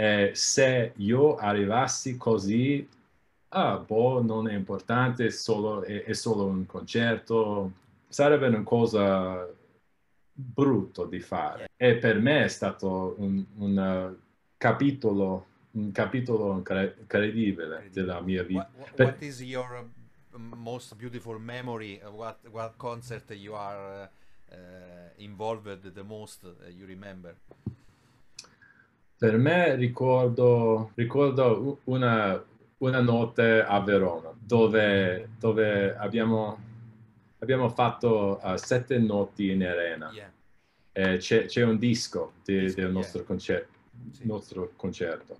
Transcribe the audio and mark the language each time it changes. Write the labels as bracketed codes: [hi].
[it] E se io arrivassi così, ah, boh, non è importante, è solo un concerto, sarebbe una cosa brutto di fare. Yeah. E per me è stato un capitolo incredibile della mia vita. [en] What is your most beautiful memory? What concert you are involved the most you remember? [it] Per me ricordo una notte a Verona dove abbiamo fatto 7 notti in arena. Yeah. E c'è un disco del nostro concerto.